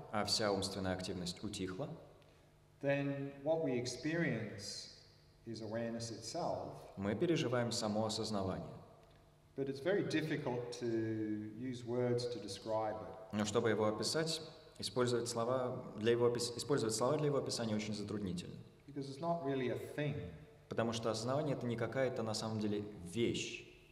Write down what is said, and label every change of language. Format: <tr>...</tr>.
<ru>а вся умственная активность утихла,</ru> <en>then what we experience is awareness itself.</en> <ru>Мы переживаем само осознавание.</ru> <en>But it's very difficult to use words to describe it.</en> <ru>Но чтобы его описать, использовать слова для его описания очень затруднительно.</ru> <en>Because it's not really a thing.</en> <ru>Потому что осознавание — это не какая-то на самом деле вещь.</ru>